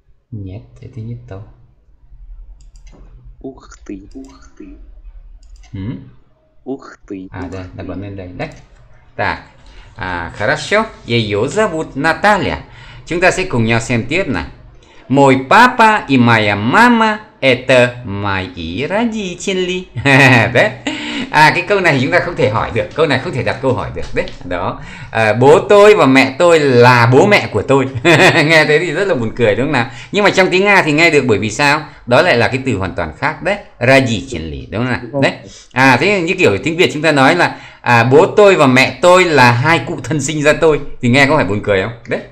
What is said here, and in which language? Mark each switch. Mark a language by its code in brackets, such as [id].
[ru] Нет, это не то. Ух ты, ух ты. Ух ты. [vi] À, đây, đặt bọn lên đây. Đấy. [ru] Так. À, хорошо. Её зовут Наталья. [vi] Chúng ta sẽ cùng nhau xem tiếp nào. [ru] Мой папа и моя мама это мои родители. [vi] Đấy. À, cái câu này chúng ta không thể hỏi được. Câu này không thể đặt câu hỏi được. Đấy. Đó. À, bố tôi và mẹ tôi là bố mẹ của tôi. Nghe thế thì rất là buồn cười đúng không nào? Nhưng mà trong tiếng Nga thì nghe được, bởi vì sao? Đó lại là cái từ hoàn toàn khác đấy. Родители, đúng không nào? Đấy. À, thế như kiểu tiếng Việt chúng ta nói là à, bố tôi và mẹ tôi là hai cụ thân sinh ra tôi, thì nghe có phải buồn cười không?